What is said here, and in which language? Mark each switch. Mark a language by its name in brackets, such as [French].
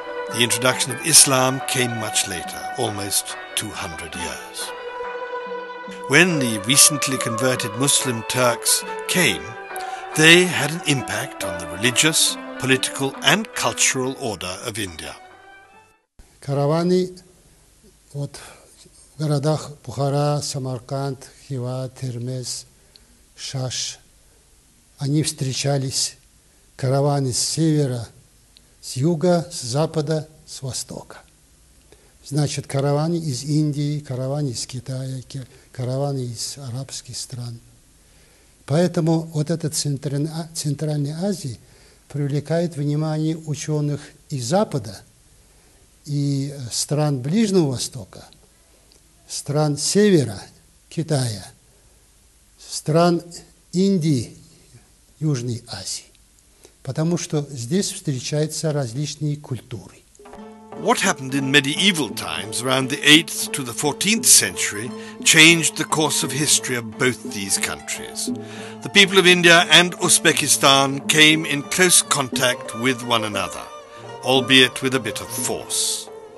[English] The introduction of Islam came much later, almost 200 years. When the recently converted Muslim Turks came, they had an impact on the religious, political and cultural order of India. Karavani [Russian] Вот в городах Бухара, Самарканд, Хива, Термез, Шаш, они встречались, караваны с севера, с юга, с запада, с востока. Значит, караваны из Индии, караваны из Китая, караваны из арабских стран. Поэтому вот эта Центральная Азия привлекает внимание ученых из Запада и стран Ближнего Востока, стран Севера, Китая, стран Индии, Южной Азии. Потому что здесь встречаются различные культуры. [English] What happened in medieval times around the 8th to the 14th century changed the course of history of both these countries. The people of India and Uzbekistan came in close contact with one another, albeit with a bit of force.